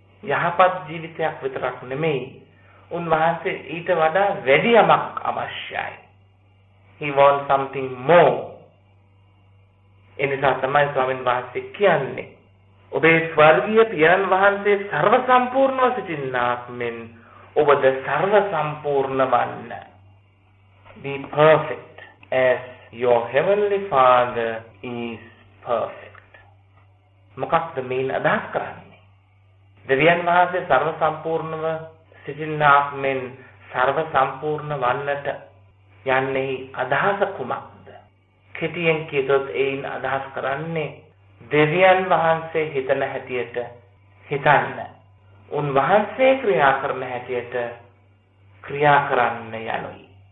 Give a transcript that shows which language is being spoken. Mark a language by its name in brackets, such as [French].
[Sinhala] යහපත් ජීවිතයක් විතරක් නෙමෙයි, උන්වහන්සේ ඊට වඩා වැඩි යමක් අවශ්‍යයි. [English] He wants something more. [Sinhala] එනිසා තමයි ස්වාමීන් වහන්සේ කියන්නේ, ඔබේ ස්වර්ගීය පියන් වහන්සේ සර්ව සම්පූර්ණව සිටින්නාක් මෙන් ඔබද සර්ව සම්පූර්ණ වන්න. [English] Be perfect as your heavenly father is perfect. [Sinhala] මොකක්ද මේන් අදහස් කරන්නේ? දෙවියන් වහන්සේ සර්ව සම්පූර්ණව සිටින්නාක් මෙන් සර්ව සම්පූර්ණ වන්නට යන්නේ අදහස කුමක්ද? කෙටියෙන් කියතොත් එයින් අදහස් කරන්නේ දෙවියන් වහන්සේ හිතන හැටියට හිතන්න, උන්වහන්සේ ක්‍රියා කරන හැටියට ක්‍රියා කරන්න යනුයි.